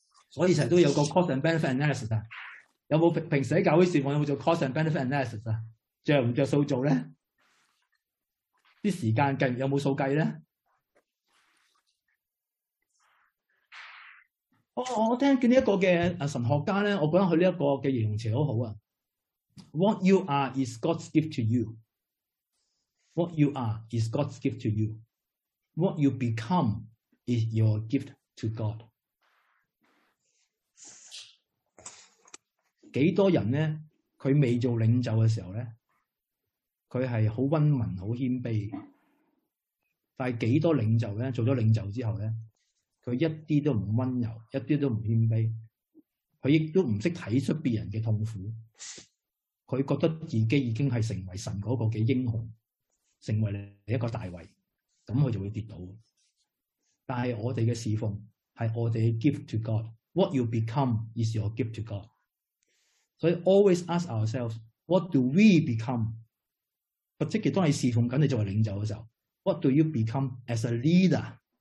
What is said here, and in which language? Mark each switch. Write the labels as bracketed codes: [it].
[yue] 所以常都有个 cost and benefit analysis。有没有平时在教会侍奉有没有做 cost and benefit analysis？着不着数做呢？时间计有没有数计呢？我听见这个的神学家呢，我觉得他这个的形容词很好啊。 [en] What you are is God's gift to you. What you are is God's gift to you. What you become is your gift to God. [yue] 几多人呢，他未做领袖的时候呢，他是很温文很谦卑的。但是几多领袖呢，做了领袖之后呢，他一啲都不温柔，一啲都不谦卑。他亦都不懂看出别人的痛苦。他觉得自己已经是成为神那个的英雄，成为你一个大卫，那他就会跌倒。但是我们的侍奉是我们的 gift to God. [en] What you become is your gift to God. 所以 always ask ourselves, what do we become? [yue] 不即是当你侍奉你作为领袖的时候， what do you become as a leader?